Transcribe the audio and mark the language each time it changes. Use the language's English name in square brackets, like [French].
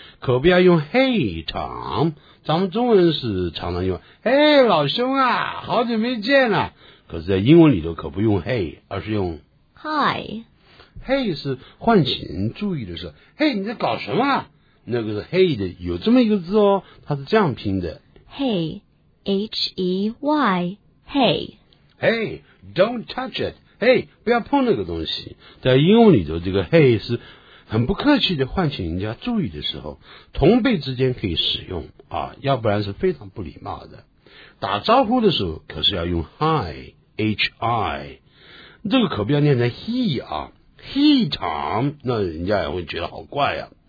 [Chinese] 可不要用 hey, Tom. 咱们中文是常常用哎，老兄啊，好久没见了。可是在英文里头可不用 hey, 而是用 [English] hi。 [Chinese] hey 是唤醒注意的时候，嘿，你在搞什么，那个是 hey 的，有这么一个字哦，它是这样拼的 [English] hey, h-e-y, hey, hey, don't touch it, hey, [Chinese] 不要碰那个东西。在英文里头这个 hey 是很不客气的唤醒人家注意的时候，同辈之间可以使用啊，要不然是非常不礼貌的。打招呼的时候可是要用 hi, h-i, 这个可不要念成 he 啊， he Tom, 那人家也会觉得好怪啊。